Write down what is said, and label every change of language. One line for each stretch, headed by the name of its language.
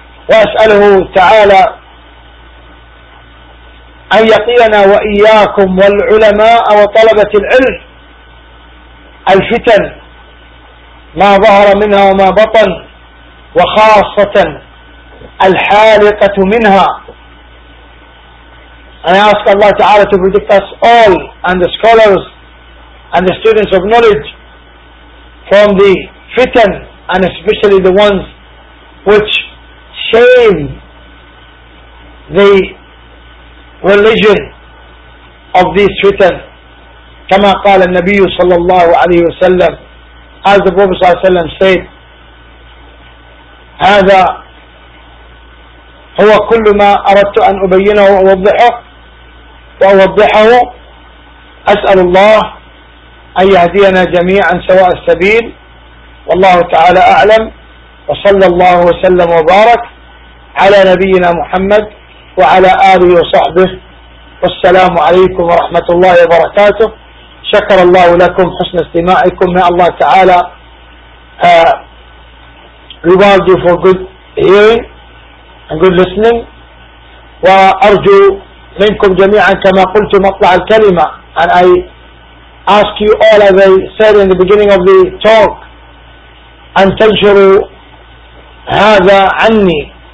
Arabic: وأسأله تعالى أن يقينا وإياكم والعلماء وطلبة العلم الفتن ما ظهر منها وما بطن, وخاصة الحالقة منها.
English: I ask Allah Ta'ala to protect us all and the scholars and the students of knowledge from the fitan, and especially the ones which shame the religion of these fitan.
Arabic: كما قال النبي صلى الله عليه وسلم,
English: as the Prophet صلى الله عليه وسلم said,
Arabic: هذا هو كل ما أردت أن أبينه وأوضحه أسأل الله أن يهدينا جميعا سواء السبيل، والله تعالى أعلم، وصلى الله وسلم وبارك على نبينا محمد وعلى آله وصحبه، والسلام عليكم ورحمة الله وبركاته. شكر الله لكم حسن استماعكم، يا الله تعالى
English: reward you for good hearing and good listening.
Arabic: وأرجو منكم جميعا كما قلت مطلع الكلمة،
English: and I ask you all as I said in the beginning of the talk
Arabic: أن تنشروا هذا عني